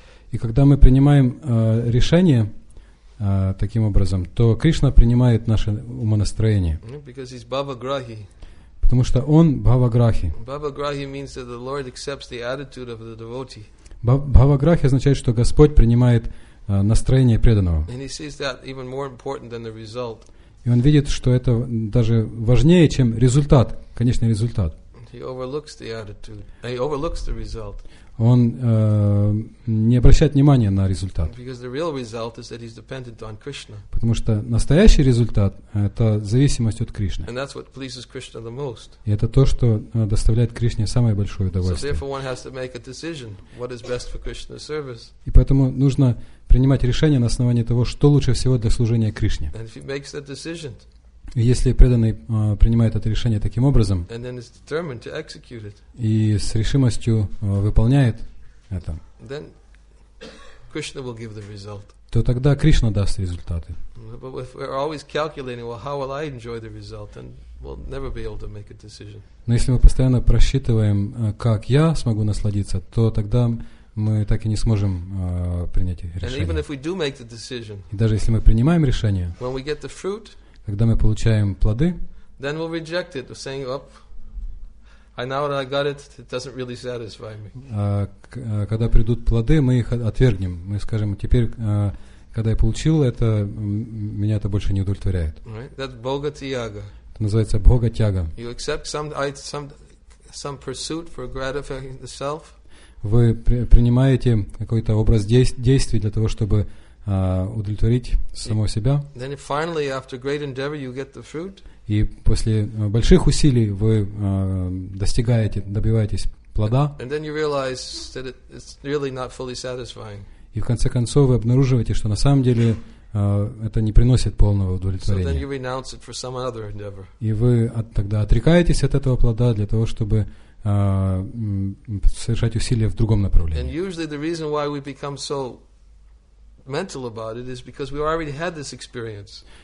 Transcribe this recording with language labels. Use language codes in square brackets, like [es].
[ru] И когда мы принимаем решение таким образом, то Кришна принимает наше умонастроение. [en] Because he's Бхаваграхи. [ru] Потому что он Бхаваграхи. [en] Бхаваграхи means that the Lord accepts the attitude of the devotee. [ru] Бхаваграхи означает, что Господь принимает настроение преданного. [en] And he sees that even more important than the result. [ru] И он видит, что это даже важнее, чем результат, конечный результат. [en] He overlooks the attitude. He overlooks the result. [ru] Он не обращает внимания на результат. [en] Because the real result is that he's dependent on Krishna. [ru] Потому что настоящий результат – это зависимость от Кришны. [en] And that's what pleases Krishna the most. [ru] И это то, что доставляет Кришне самое большое удовольствие. [en] So therefore one has to make a decision, what is best for Krishna's service. [ru] И поэтому нужно принимать решение на основании того, что лучше всего для служения Кришне. [en] And if he makes that decision, [ru] если преданный принимает это решение таким образом и с решимостью выполняет это, [en] then Krishna will give the result. [ru] то тогда Кришна даст результаты. [en] But if we're always calculating, well, how will I enjoy the result? Then we'll never be able to make a decision. [ru] Но если мы постоянно просчитываем, как я смогу насладиться, то тогда мы так и не сможем принять решение. [en] And even if we do make the decision, [ru] и даже если мы принимаем решение, [en] when we get the fruit, [ru] когда мы получаем плоды, [en] then we'll reject it, saying, "Up, I now that I got it, it doesn't really satisfy me." [ru] Когда придут плоды, мы их отвергнем. Мы скажем: теперь, когда я получил это, меня это больше не удовлетворяет. [en] Right? That's bhoga-tyaga. [ru] Это называется бхога-тяга. [en] You accept some pursuit for gratifying the self. [ru] Вы принимаете какой-то образ действий для того, чтобы удовлетворить самого себя. [en] Then finally, after great endeavor, you get the fruit. [ru] И после больших усилий вы достигаете, добиваетесь плода. [en] And then you realize that it's really not fully satisfying. [ru] И в конце концов вы обнаруживаете, что на самом деле это не приносит полного удовлетворения. [en] So then you renounce it for some other endeavor. [ru] И вы тогда отрекаетесь от этого плода для того, чтобы совершать усилия в другом направлении. [en] And usually the reason why we become so mental about it is because we already had this experience.